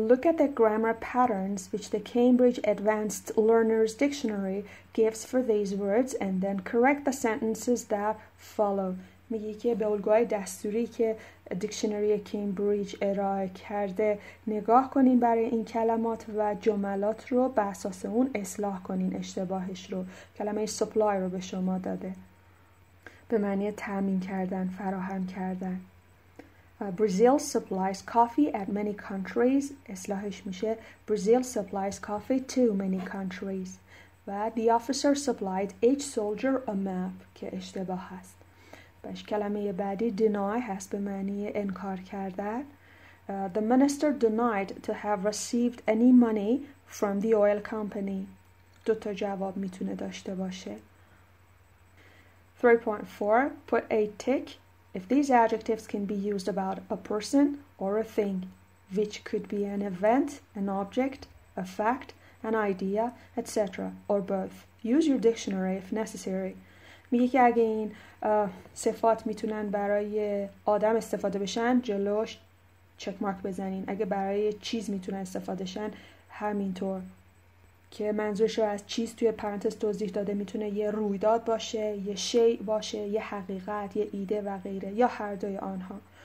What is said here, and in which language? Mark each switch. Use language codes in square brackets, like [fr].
[en] Look at the grammar patterns which the Cambridge Advanced Learner's Dictionary gives for these words and then correct the sentences that follow. [fa] میگه که به الگوهای دستوری که دیکشنری کمبریج ارائه کرده نگاه کنین برای این کلمات و جملات رو به اساس اون اصلاح کنین اشتباهش رو. کلمه supply رو به شما داده، به معنی تامین کردن، فراهم کردن. [en] Brazil supplies coffee at many countries. [fa] اصلاحش میشه [en] Brazil supplies coffee to many countries. و the officer supplied each soldier a map [fa] که اشتباه هست. باش کلمه بعدی deny هست به معنی انکار کردن. [en] The minister denied to have received any money from the oil company. [fa] دوتا جواب میتونه داشته باشه. 3.4. [en] Put a tick if these adjectives can be used about a person or a thing, which could be an event, an object, a fact, an idea, etc., or both. Use your dictionary if necessary. [fa] میگه که اگه این صفات میتونن برای آدم استفاده بشن جلوش چک مارک بزنین، اگه برای چیز میتونن استفاده شن همینطور، که منظورش رو از چیز توی پرانتز توضیح داده، میتونه یه رویداد باشه، یه شیء باشه، یه حقیقت، یه ایده و غیره، یا هر دوی آنها.